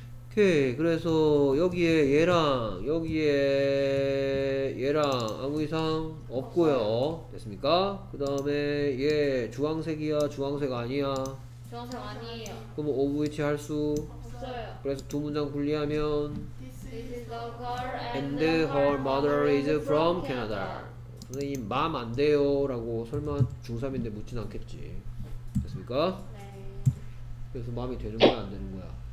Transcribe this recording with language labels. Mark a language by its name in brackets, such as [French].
[Korean] 오케이 그래서 여기에 얘랑 아무 이상 없고요 됐습니까? 그 다음에 얘 주황색이야 주황색 아니야? 주황색 아니에요 그럼 of which 할 수? 없어요 그래서 두 문장 분리하면 [English] This is the girl and her mother is from Canada [Korean] 선생님 맘 안 돼요 라고 설마 중3인데 묻진 않겠지 됐습니까? 네 그래서 맘이 되는 거야 안 되는 거야?